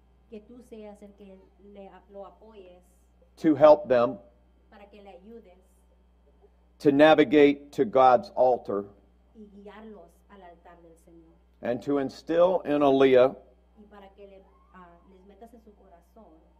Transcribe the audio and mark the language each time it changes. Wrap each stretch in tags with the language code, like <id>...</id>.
<es>que tú seas el que le, lo apoyes,</es> <en>to help them,</en> <es>para que le ayudes,</es> <en>to navigate to God's altar,</en> <es>y guiarlos al altar del Señor,</es> <en>and to instill in Aaliyah,</en> <es>y para que le, les metas en su corazón,</es>